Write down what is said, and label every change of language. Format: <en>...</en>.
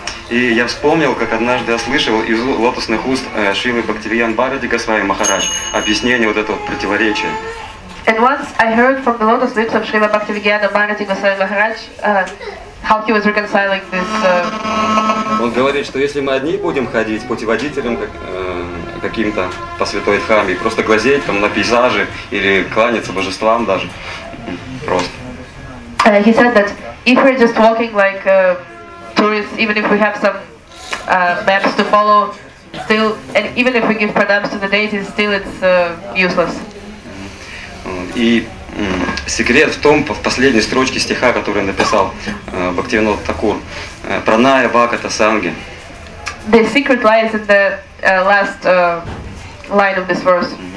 <ru>И я вспомнил, как однажды я слышал из лотосных уст Шрилы Бхактивиян Бхарати Госвами Махарадж объяснение вот этого противоречия.</ru> <en>And once I heard from the lotus lips of Srila Bhaktivinoda Thakur Bharati Goswami Maharaj, how he was reconciling this.</en> <ru>Он говорит, что если мы одни будем ходить путеводителем каким-то по святой Дхаме, просто глазеть там на пейзажи или кланяться божествам даже, просто.</ru> <en>He said that if we're just walking like tourists, even if we have some maps to follow, still, and even if we give pranams to the deities, still it's useless.</en> <ru>И секрет в том, в последней строчке стиха, который написал Бхактивинода Такур,</ru> <bn>праная бхаката санги.</bn> <en>The secret lies in the last line of this verse.</en>